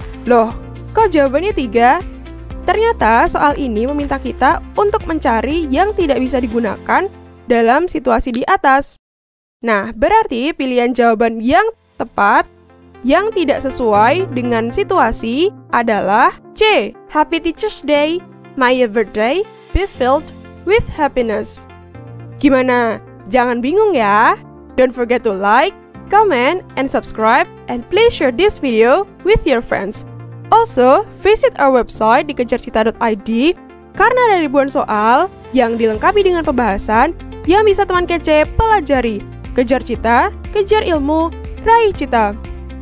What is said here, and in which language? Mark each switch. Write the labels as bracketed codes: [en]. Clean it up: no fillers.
[id] Loh, kok jawabannya 3? Ternyata soal ini meminta kita untuk mencari yang tidak bisa digunakan dalam situasi di atas. Nah, berarti pilihan jawaban yang tepat, yang tidak sesuai dengan situasi adalah C. [en] Happy Teacher's Day, my birthday, be filled with happiness. [id] Gimana? Jangan bingung ya. [en] Don't forget to like, comment, and subscribe, and please share this video with your friends. Also, visit our website [id] di kejarcita.id karena ada ribuan soal yang dilengkapi dengan pembahasan yang bisa teman kece pelajari. Kejar cita, kejar ilmu, raih cita.